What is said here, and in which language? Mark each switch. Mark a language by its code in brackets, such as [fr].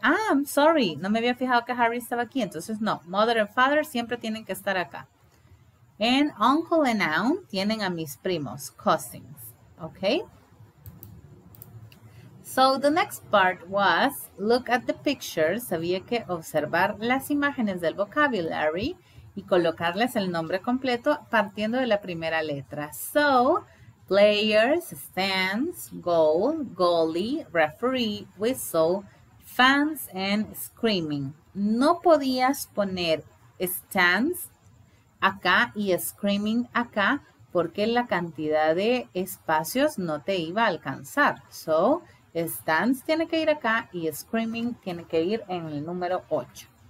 [en] Ah, I'm sorry, [es] no me había fijado que Harry estaba aquí, entonces no. [en] Mother and father [es] siempre tienen que estar acá. [en] And uncle and aunt [es] tienen a mis primos, cousins, okay? [en] So the next part was, look at the pictures. [es] Había que observar las imágenes del vocabulary y colocarles el nombre completo partiendo de la primera letra. [en] So, players, stands, goal, goalie, referee, whistle, fans, and screaming. [es] No podías poner stands acá y screaming acá porque la cantidad de espacios no te iba a alcanzar. So, stands tiene que ir acá y screaming tiene que ir en el número 8.